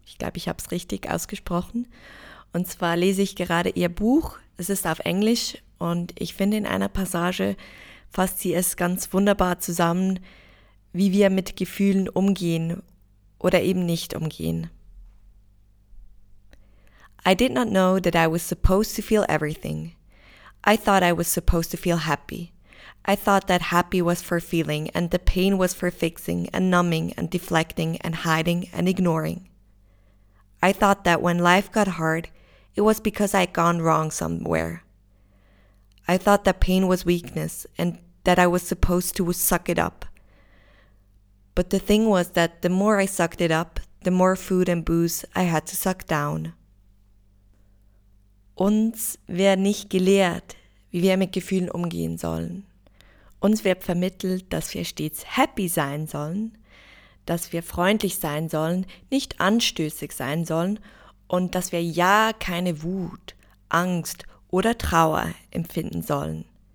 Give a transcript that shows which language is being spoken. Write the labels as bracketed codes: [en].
[de] Ich glaube, ich habe es richtig ausgesprochen. Und zwar lese ich gerade ihr Buch. Es ist auf Englisch und ich finde, in einer Passage fasst sie es ganz wunderbar zusammen, wie wir mit Gefühlen umgehen oder eben nicht umgehen. [en] I did not know that I was supposed to feel everything. I thought I was supposed to feel happy. I thought that happy was for feeling and the pain was for fixing and numbing and deflecting and hiding and ignoring. I thought that when life got hard, it was because I had gone wrong somewhere. I thought that pain was weakness and that I was supposed to suck it up. But the thing was that the more I sucked it up, the more food and booze I had to suck down. [de] Uns wird nicht gelehrt, wie wir mit Gefühlen umgehen sollen. Uns wird vermittelt, dass wir stets happy sein sollen, dass wir freundlich sein sollen, nicht anstößig sein sollen und dass wir ja keine Wut, Angst oder Trauer empfinden sollen.